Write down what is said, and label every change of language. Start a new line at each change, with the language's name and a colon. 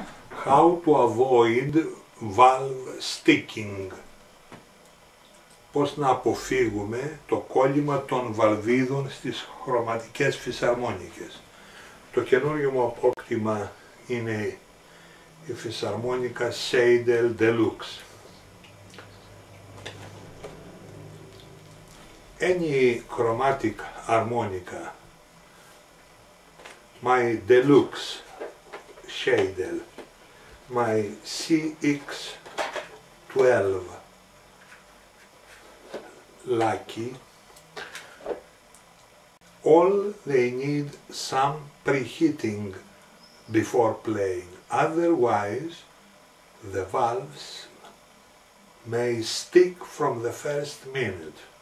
English: How to avoid valve sticking.
Greek: Πώς να αποφύγουμε το κόλλημα των βαλβίδων στις χρωματικές φυσαρμόνικες. Το καινούργιο μου απόκτημα είναι η φυσαρμόνικα Seidel Deluxe.
English: Any chromatic harmonica, my Deluxe Seidel, my CX-12 Lucky, all they need some preheating before playing, otherwise the valves may stick from the first minute.